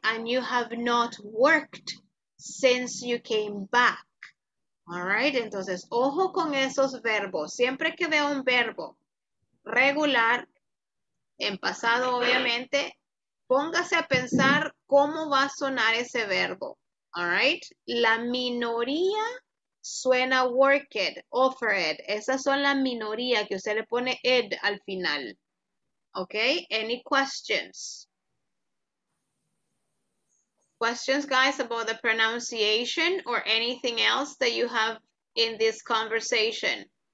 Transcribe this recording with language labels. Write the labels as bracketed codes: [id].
[en] And you have not worked since you came back. All right, [es] entonces, ojo con esos verbos. Siempre que veo un verbo regular, en pasado, obviamente, Póngase a pensar cómo va a sonar ese verbo. [en] All right. [es] La minoría suena worked, offered. Esas son la minoría que usted le pone ed al final. [en] Okay. Any questions? Questions, guys, about the pronunciation or anything else that you have in this conversation?